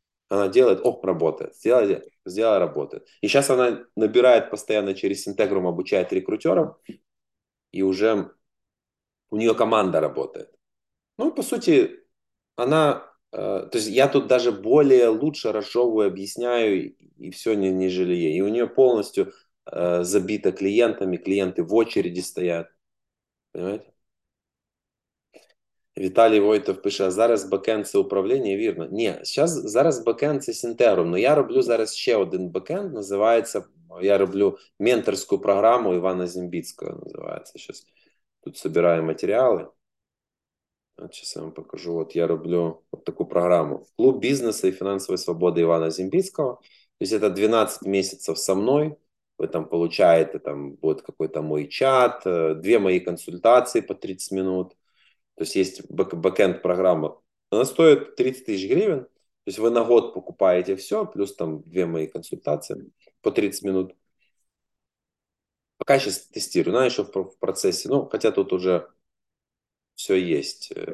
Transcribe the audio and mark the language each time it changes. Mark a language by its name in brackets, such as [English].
[Russian] Она делает, о, работает. Сделала, работает. И сейчас она набирает постоянно через Интегрум, обучает рекрутеров, и уже у нее команда работает. Ну, по сути, она, то есть я тут даже более лучше разжевываю, объясняю, и все не жалею. И у нее полностью забито клиентами, клиенты в очереди стоят. Понимаете? [Ukrainian] Віталій Войтов пише, а зараз бекенд це управління, вірно? Ні, зараз, бекенд це Сінтерум, але я роблю зараз ще один бекенд, називається, я роблю менторську програму Івана Зімбіцького, називається. Щас тут збираю матеріали. Зараз я вам покажу. От я роблю от таку програму. Клуб бізнесу і фінансової свободи Івана Зімбіцького. Тобто це 12 місяців зі мною. Ви там отримуєте, там буде якийсь мій чат, дві мої консультації по 30 хвилин. [Russian] То есть есть бэкэнд программа. Она стоит 30 тысяч гривен. То есть вы на год покупаете все, плюс там две мои консультации по 30 минут. Пока сейчас тестирую. Она еще в процессе. Ну, хотя тут уже все есть.